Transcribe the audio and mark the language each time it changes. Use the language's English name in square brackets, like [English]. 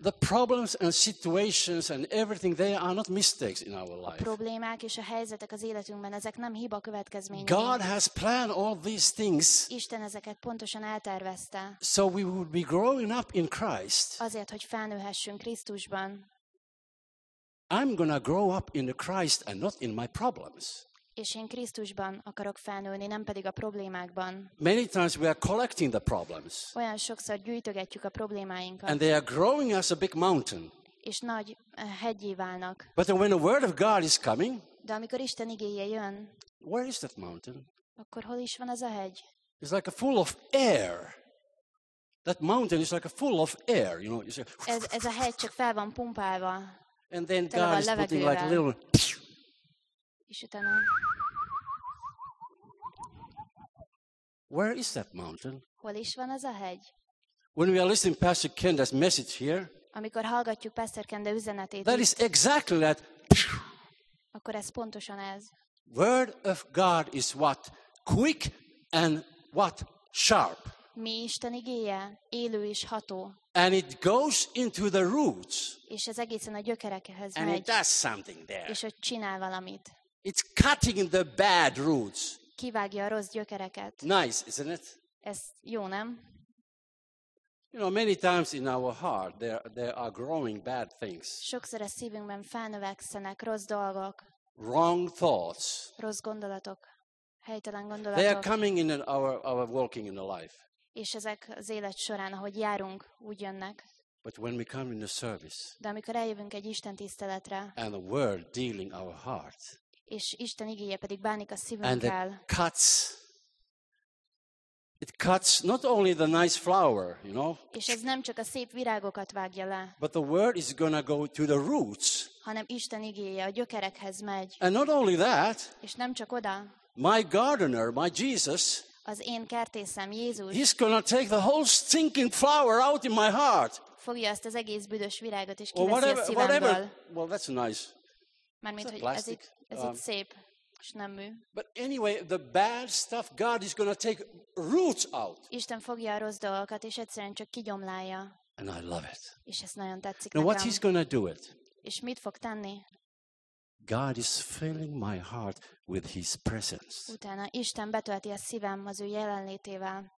[English] The problems and situations and everything they are not mistakes in our life. [Hungarian] A problémák és a helyzetek az életünkben ezek nem hiba következményei. [English] God has planned all these things. [Hungarian] Isten ezeket pontosan eltervezte. [English] So we would be growing up in Christ. [Hungarian] Azért, hogy felnőhessünk Krisztusban. [English] I'm gonna grow up in the Christ and not in my problems. [Hungarian] És én Krisztusban akarok felnőni, nem pedig a problémákban. [English] Many times we are collecting the problems. [Hungarian] Olyan sokszor gyűjtögetjük a problémáinkat. [English] And they are growing as a big mountain. [Hungarian] És nagy heggyé válnak. [English] But when the word of God is coming, [Hungarian] de amikor Isten igéje jön, [English] where is that mountain? [Hungarian] Akkor hol is van az a hegy? [English] It's like a full of air. That mountain is like a full of air, you know. [Hungarian] Ez a hegy csak fel van pumpálva. [English] And then God is putting like a little [Hungarian] És utána... [English] Where is that mountain? [Hungarian] Hol is van az a hegy? [English] When we are listening to Pastor Kenda's message here. [Hungarian] Amikor hallgatjuk Pastor Kenda üzenetét. [English] That is exactly that. [Hungarian] Akkor ez pontosan ez. [English] Word of God is what quick and what sharp. [Hungarian] Mi Isten igéje, élő és ható. [English] And it goes into the roots. [Hungarian] És ez egészen a gyökerekhez [English] and [Hungarian] megy. [English] It does something there. [Hungarian] És ott csinál valamit. [English] It's cutting the bad roots. [Hungarian] Kivágja a rossz gyökereket. [English] Nice, isn't it? [Hungarian] Ez jó, nem? [English] You know, many times in our heart there are growing bad things. [Hungarian] Sokszor a szívünkben felnövekszenek rossz dolgok. [English] Wrong thoughts. [Hungarian] Rossz gondolatok. Helytelen gondolatok. [English] They are coming in our walking in the life. [Hungarian] És ezek az élet során, ahogy járunk, úgy jönnek. [English] But when we come in the service. [Hungarian] De amikor eljövünk egy Isten tiszteletre. [English] And the word dealing our heart. [Hungarian] És Isten igéje pedig bánik a szívünkkel. [English] It cuts not only the nice flower, you know. [Hungarian] És ez nem csak a szép virágokat vágja le. [English] But the word is gonna go to the roots. [Hungarian] Hanem Isten igéje a gyökerekhez megy. [English] And not only that. [Hungarian] És nem csak oda. [English] My gardener, my Jesus. [Hungarian] Az én kertészem Jézus. [English] He's gonna take the whole stinking flower out in my heart. [Hungarian] Fogja ezt az egész büdös virágot is kiveszi a szívemből. [English] Well, that's nice. [Hungarian] Mármint, hogy ez itt szép. És nem mű. [English] But anyway, the bad stuff God is going to take roots out. [Hungarian] Isten fogja a rossz dolgokat, és egyszerűen csak kigyomlálja. [English] And I love it. [Hungarian] És ez nagyon tetszik nekem. [English] Now what he's going to do it? [Hungarian] És mit fog tenni? [English] God is filling my heart with his presence. [Hungarian] Utána Isten betölti a szívem az ő jelenlétével.